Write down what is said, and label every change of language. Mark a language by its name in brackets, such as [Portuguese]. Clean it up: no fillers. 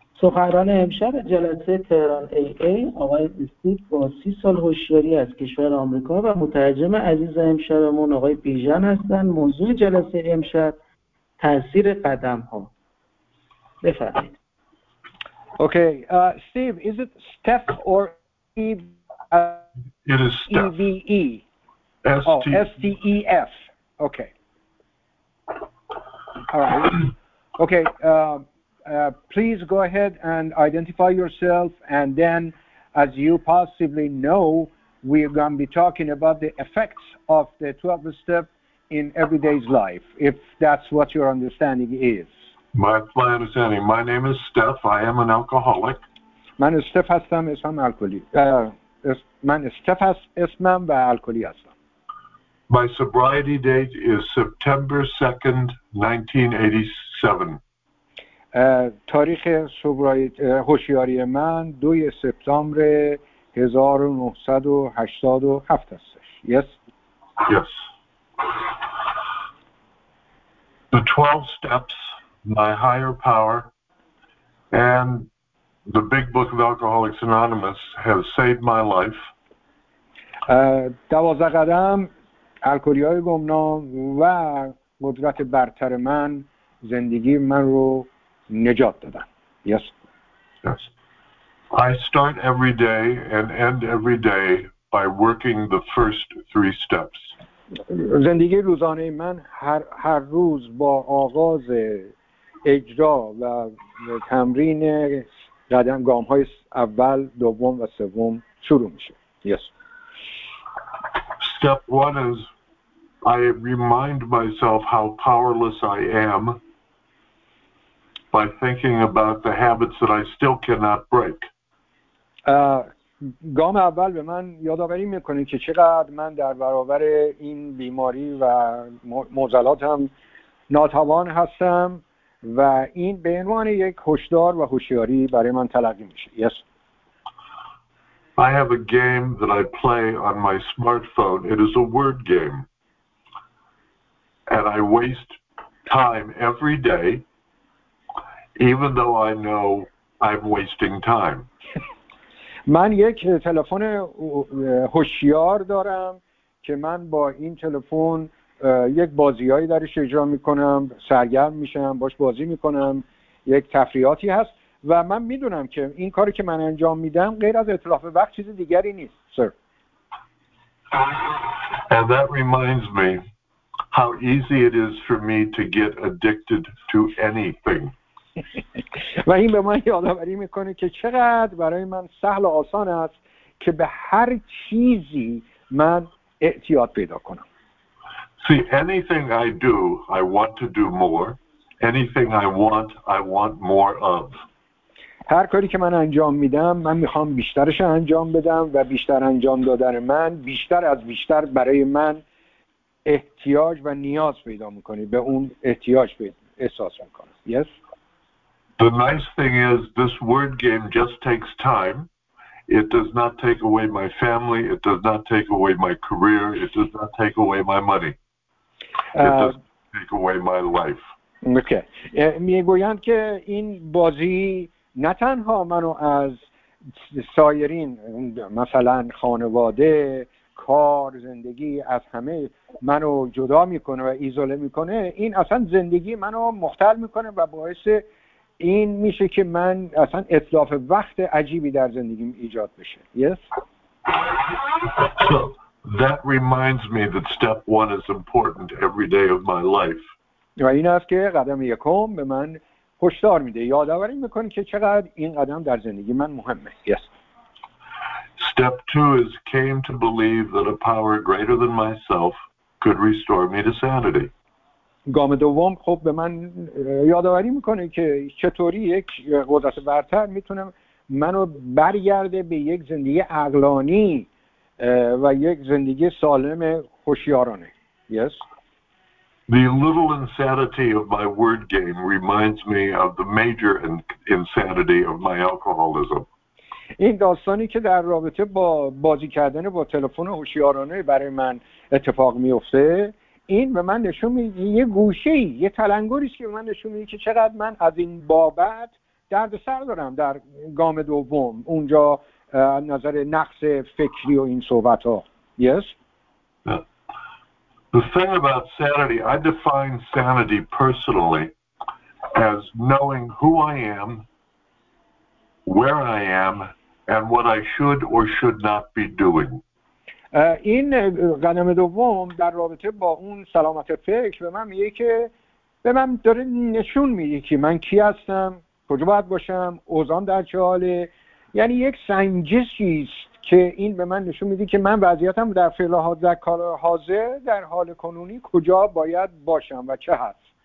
[Persian] سخنران امشب جلسه تهران ای ای آقای استیو با 30 سال هوشیاری از کشور آمریکا و مترجم عزیز امشبمون آقای بیژن هستند. موضوع جلسه امشب تاثیر قدم ها. بفرمایید. [English] Okay Steve, is it Steph or Eve? It is Steph. E V E S T E F. Okay okay please go ahead and identify yourself, and then, as you possibly know, we are going to be talking about the effects of the 12th step in everyday's life, if that's what your understanding is. My understanding. My name is Steph. I am an alcoholic. [Persian] من استیو هستم، اسمم الکلی. من استیو هستم، اسمم و الکلی هستم. [English] My sobriety date is September 2nd, 1987. [Persian] تاریخ هوشیاری من 2 سپتامبر 1987 هستش. [English] Yes. Yes. The 12 steps, my higher power, and the big book of Alcoholics Anonymous have saved my life. [Persian] 12 قدم، الکلی‌های گمنام و قدرت برتر من زندگی من رو نجات دادن. [English] Yes. Yes. I start every day and end every day by working the first 3 steps. [Persian] زندگی روزانه من هر روز با آغاز اجرا و تمرین قدم گام های اول، دوم و سوم شروع میشه. [English] Yes. Step 1 is I remind myself how powerless I am by thinking about the habits that I still cannot break. [Persian] گام اول به من یادآوری میکنه که چقدر من در برابر این بیماری و معضلاتم ناتوان هستم و این به عنوان یک هشدار و هوشیاری برای من تلقی میشه. [English] Yes. I have a game that I play on my smartphone. It is a word game. And I waste time every day even though I know I'm wasting time. [Persian] من یک تلفن هوشیار دارم که من با این تلفن یک بازیایی درش اجرا میکنم، سرگرم میشم، باش بازی میکنم، یک تفریحاتی هست و من میدونم که این کاری که من انجام میدم غیر از اتلاف وقت چیز دیگری نیست. سر. [English] And that reminds me how easy it is for me to get addicted to anything. [Persian] و این به من یادآوری میکنه که چقدر برای من سهل و آسان است که به هر چیزی من اعتیاد پیدا کنم. [English] See, anything I do, I want to do more. Anything I want more of. [Persian] هر کاری که من انجام میدم، من میخوام بیشترش انجام بدم و بیشتر انجام دادن من بیشتر از بیشتر برای من احتیاج و نیاز پیدا میکنه، به اون احتیاج احساس میکنه. [English] Yes. The nice thing is this word game just takes time. It does not take away my family. It does not take away my career. It does not take away my money. It doesn't take away my life. Okay. [Persian] میگویند که این بازی نه تنها منو از سایرین، مثلا خانواده، کار، زندگی، از همه منو جدا میکنه و ایزوله میکنه. این اصلا زندگی منو مختل میکنه و باعث این میشه که من اصلا اتلاف وقت عجیبی در زندگیم ایجاد بشه. [English] Yes. So that reminds me that step one is important every day of my life. [Persian] و این است که قدم یکم به من هشدار میده، یادآوری میکنه که چقدر این قدم در زندگی من مهمه. [English] Yes. Step two is came to believe that a power greater than myself could restore me to sanity. [Persian] گام دوم خب به من یادآوری میکنه که چطوری یک قدرت برتر میتونه منو برگرده به یک زندگی عقلانی و یک زندگی سالم هوشیارانه. [English] Yes. The little insanity of my word game reminds me of the major insanity of my alcoholism. [Persian] این داستانی که در رابطه با بازی کردن با تلفن هوشیارانه برای من اتفاق میفته، این به من نشون میده یه گوشه‌ای، یه تلنگری که به من نشون میده که چقدر من از این بابت درد سر دارم در گام دوم اونجا نظر نقص فکری و این صحبت ها. [English] Yes? The thing about sanity, I define sanity personally as knowing who I am, where I am, and what I should or should not be doing. [Persian] این قدم دوم در رابطه با اون سلامت فکر به من میگه که به من داره نشون میده که من کی هستم، کجا باید باشم، اوزان در چه حاله. یعنی یک سنجشیست که این به من نشون میده که من وضعیتم در فعل حاضر، در کار حاضر، در حال کنونی کجا باید باشم و چه هست.